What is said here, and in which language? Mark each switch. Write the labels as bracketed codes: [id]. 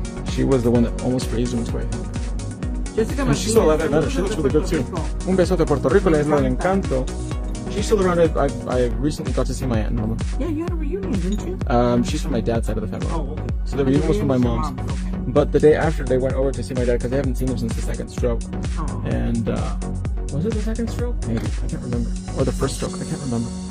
[en] She was the one that almost raised him this way. Jessica and she's still alive. I met her. She looks really good too. [es] Un beso de Puerto Rico, la isla del encanto. [en] She's still around. I recently got to see my aunt Norma. Yeah, you had a reunion, didn't you? She's from my dad's side of the family. Oh, okay. So the reunion was from my mom's. Okay. But the day after, they went over to see my dad because they haven't seen him since the second stroke. Oh. And was it the second stroke? Maybe. I can't remember. Or the first stroke. I can't remember.